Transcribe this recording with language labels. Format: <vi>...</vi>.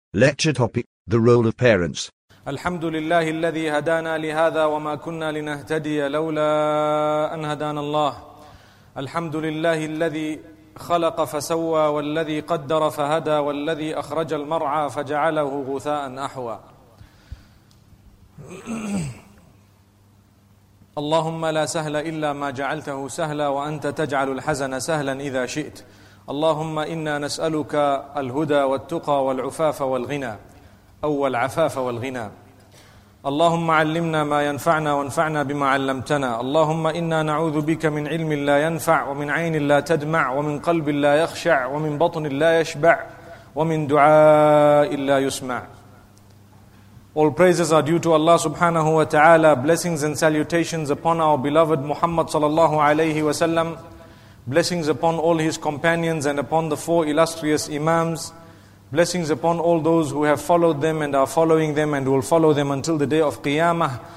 <en>Lecture topic, the role of parents.</en> <ar>Alhamdulillah, الذي هدانا لهذا وما كنا لنهتدي لولا أن هدانا الله. Alhamdulillah, الذي خلق فسوى والذي قدر فهدى والذي أخرج المرعى فجعله غثاء أحوى. اللهم لا سهل إلا ما جعلته سهلا وأنت تجعل الحزن سهلا إذا شئت. اللهم إنا نسألك الهدى والتقى والعفاف والغنى أو العفاف والغنى. اللهم علمنا ما ينفعنا وانفعنا بما علمتنا. اللهم إنا نعوذ بك من علم لا ينفع ومن عين لا تدمع ومن قلب لا يخشع ومن بطن لا يشبع ومن دعاء لا يسمع.</ar> <en>All praises are due to Allah subhanahu wa ta'ala. Blessings and salutations upon our beloved Muhammad sallallahu alayhi wa sallam. Blessings upon all his companions and upon the four illustrious imams. Blessings upon all those who have followed them and are following them and will follow them until the day of Qiyamah.</en>